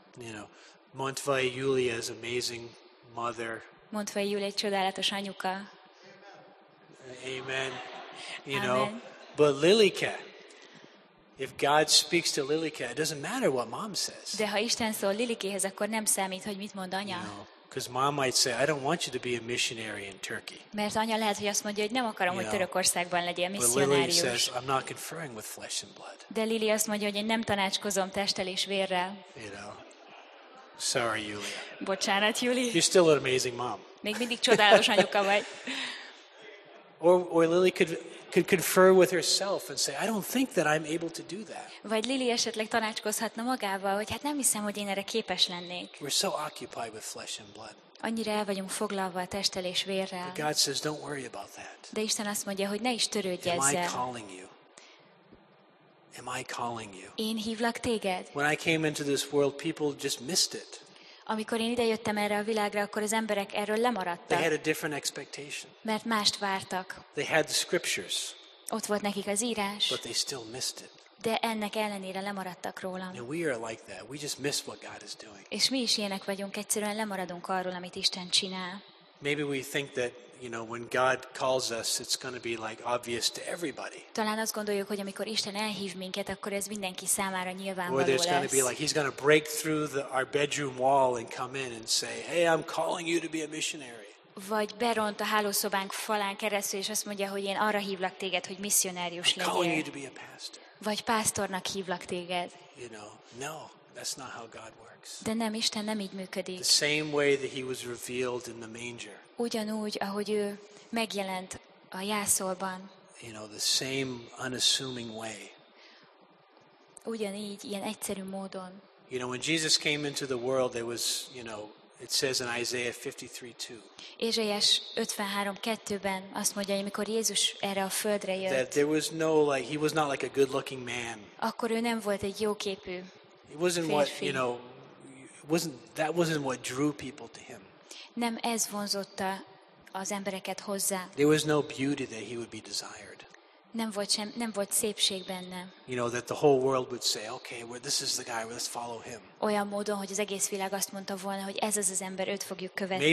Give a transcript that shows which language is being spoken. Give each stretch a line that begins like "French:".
English: You know, Montfai Julia is amazing mother.
Hungarian: Montfai Julia egy csodálatos anyuka.
English: Amen. You Amen. Know, but Lilike. If God speaks to Lilike, it doesn't matter what mom says.
Hungarian: De ha Isten szól Lilikéhez, akkor nem számít, hogy mit mond anya.
English: You know, because mom might say, I don't want you to be a missionary in Turkey.
Hungarian: Mert anya lehet, hogy azt mondja, hogy nem akarom, hogy Törökországban legyél misszionárius.
English: But Lily says, I'm not conferring with flesh and blood.
Hungarian: De Lili azt mondja, hogy én nem tanácskozom testtel és vérrel.
English: You know. Sorry, Julia.
Hungarian: Bocsánat, Juli.
English: You're still an amazing mom.
Hungarian: Még mindig csodálatos anyuka vagy.
English: Or Lily could confer with herself and say, I don't think that I'm able to do that.
Hungarian: Vagy Lily esetleg tanácskozhatna magával, hogy hát nem hiszem, hogy én erre képes lennék.
English: We're so occupied with flesh and blood.
Hungarian: Annyira el vagyunk foglalva a testtel és vérrel.
English: But God says, don't worry about that.
Hungarian: De Isten azt mondja, hogy ne is törődj ezzel.
English: Am I calling you?
Hungarian: Én hívlak téged.
English: When I came into this world, people just missed it.
Hungarian: Amikor én idejöttem erre a világra, akkor az emberek erről lemaradtak.
English: They had a different expectation.
Hungarian: Mert mást vártak.
English: They had the scriptures.
Hungarian: Ott volt nekik az írás.
English: But they still missed it.
Hungarian: De ennek ellenére lemaradtak róla.
English: And we are like that. We just miss what God is doing.
Hungarian: És mi is ilyenek vagyunk, egyszerűen lemaradunk arról, amit Isten csinál.
English: Maybe we think that, you know, when God calls us, it's going to be like obvious to everybody.
Hungarian: Talán azt gondoljuk, hogy amikor Isten elhív minket, akkor ez mindenki számára nyilvánvaló lesz.
English: Or it's going to be like he's going to break through our bedroom wall and come in and say, hey, I'm calling you to be a missionary.
Hungarian: Vagy beront a hálószobánk falán keresztül, és azt mondja, hogy én arra hívlak téged, hogy missionárius legyél.
English: I'm calling you to be a pastor.
Hungarian: Vagy pásztornak hívlak téged.
English: You know, no. That's not how God works.
Hungarian: De nem, Isten nem így működik.
English: The same way that he was revealed in the manger.
Hungarian: Ugyanúgy, ahogy ő megjelent a jászolban.
English: You know, the same unassuming way.
Hungarian: Ugyanígy, ilyen egyszerű módon.
English: You know, when Jesus came into the world, there was, you know, it says in Isaiah 53:2.
Hungarian: Ézsaiás 53:2-ben azt mondja, amikor Jézus erre a földre jött.
English: That there was no like he was not like a good-looking man.
Hungarian: Akkor ő nem volt egy jóképű.
English: It wasn't what, you know, that wasn't what drew people to him.
Hungarian: Nem ez vonzotta az embereket hozzá.
English: There was no beauty that he would be desired.
Hungarian: Nem volt szépség benne.
English: You know, that the whole world would say, okay, well, this is the guy, let's follow him.
Hungarian: Olyan módon, hogy az egész világ azt mondta volna, hogy ez az az ember, őt fogjuk követni.